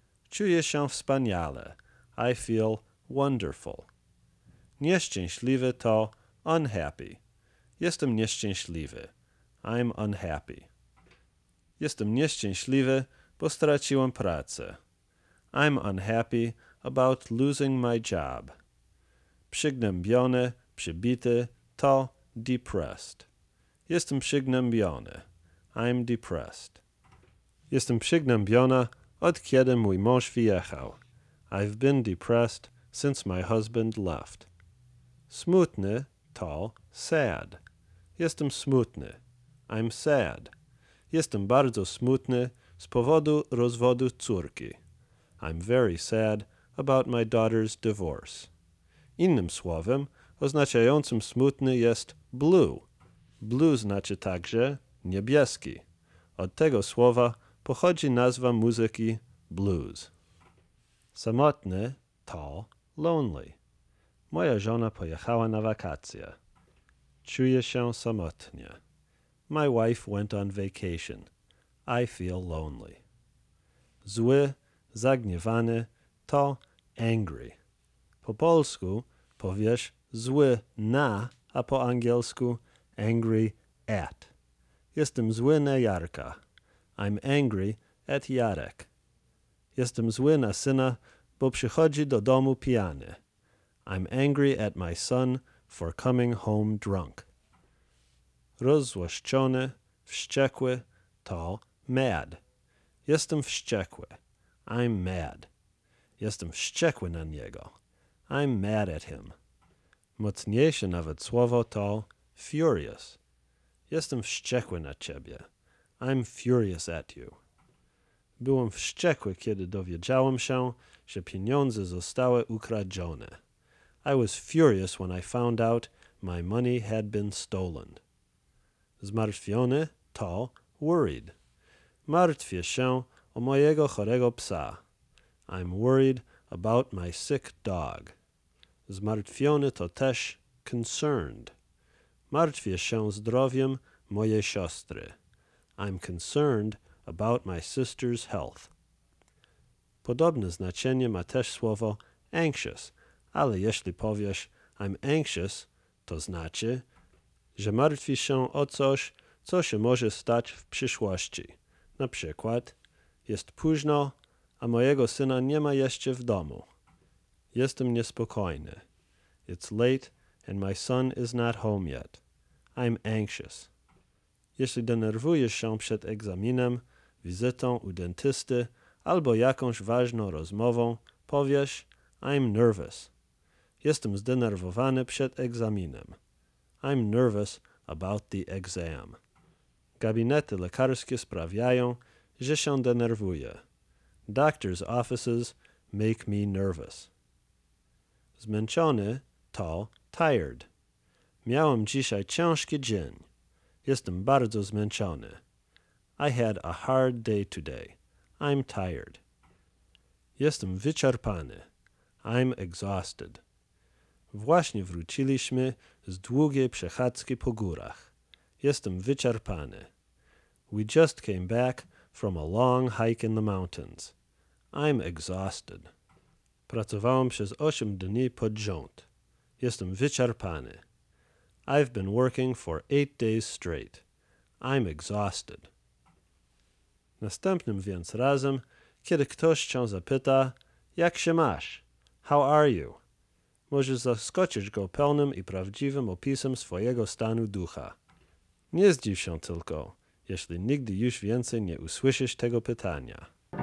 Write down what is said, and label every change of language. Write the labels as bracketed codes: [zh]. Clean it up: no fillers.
[pl] Czuję się wspaniale. [en] I feel wonderful. [pl] Nieszczęśliwy to unhappy. Jestem nieszczęśliwy. [en] I'm unhappy. [pl] Jestem nieszczęśliwy, bo straciłem pracę. [en] I'm unhappy about losing my job. [pl] Przygnębiony, przybity to depressed. Jestem przygnębiony. [en] I'm depressed. [pl] Jestem przygnębiona od kiedy mój mąż wyjechał. [en] I've been depressed since my husband left. [pl] Smutny to sad. Jestem smutny. [en] I'm sad. [pl] Jestem bardzo smutny z powodu rozwodu córki. [en] I'm very sad about my daughter's divorce. [pl] Innym słowem, oznaczającym smutny jest blue. Blue znaczy także niebieski. Od tego słowa pochodzi nazwa muzyki blues. Samotny to lonely. Moja żona pojechała na wakacje. Czuję się samotnie. [en] My wife went on vacation. I feel lonely. [pl] Zły, zagniewany to [en] angry. [pl] Po polsku powiesz zły na, a po angielsku angry at. Jestem zły na Jarka. [en] I'm angry at Jarek. [pl] Jestem zły na syna, bo przychodzi do domu pijany. [en] I'm angry at my son for coming home drunk. [pl] Rozzłoszczony, wściekły to mad. Jestem wściekły. [en] I'm mad. [pl] Jestem wściekły na niego. [en] I'm mad at him. [pl] Mocniejsze nawet słowo to furious. Jestem wściekły na ciebie. [en] I'm furious at you. [pl] Byłem wściekły, kiedy dowiedziałem się, że pieniądze zostały ukradzione. [en] I was furious when I found out my money had been stolen. [pl] Zmartwiony to worried. Martwię się o mojego chorego psa. [en] I'm worried about my sick dog. [pl] Zmartwiony to też concerned. Martwię się zdrowiem mojej siostry. [en] I'm concerned about my sister's health. [pl] Podobne znaczenie ma też słowo anxious, ale jeśli powiesz [en] I'm anxious, [pl] to znaczy, że martwisz się o coś, co się może stać w przyszłości. Na przykład, jest późno, a mojego syna nie ma jeszcze w domu. Jestem niespokojny. [en] It's late and my son is not home yet. I'm anxious. [pl] Jeśli denerwujesz się przed egzaminem, wizytą u dentysty albo jakąś ważną rozmową, powiesz [en] I'm nervous. [pl] Jestem zdenerwowany przed egzaminem. [en] I'm nervous about the exam. [pl] Gabinety lekarskie sprawiają, że się denerwuję. [en] Doctor's offices make me nervous. [pl] Zmęczony to tired. Miałem dzisiaj ciężki dzień. Jestem bardzo zmęczony. [en] I had a hard day today. I'm tired. [pl] Jestem wyczerpany. [en] I'm exhausted. [pl] Właśnie wróciliśmy z długiej przechadzki po górach. Jestem wyczerpany. [en] We just came back from a long hike in the mountains. I'm exhausted. [pl] Pracowałem przez 8 dni pod rząd. Jestem wyczerpany. [en] I've been working for 8 days straight. I'm exhausted. [pl] Następnym więc razem, kiedy ktoś cię zapyta, jak się masz? [en] How are you? [pl] Możesz zaskoczyć go pełnym i prawdziwym opisem swojego stanu ducha. Nie zdziw się tylko, jeśli nigdy już więcej nie usłyszysz tego pytania.